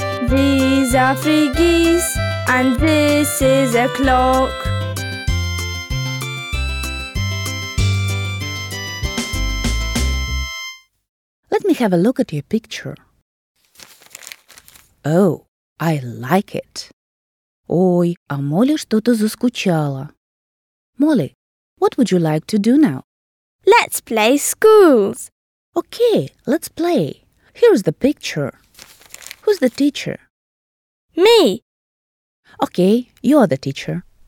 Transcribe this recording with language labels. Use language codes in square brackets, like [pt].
[en] These are three geese and this is a clock. Let me have a look at your picture. Oh, I like it. [ru] Ой, а Молли что-то заскучала. [en] Молли, what would you like to do now? Let's play schools. Okay, let's play. Here's the picture. Who's the teacher? Me. Okay, you're the teacher.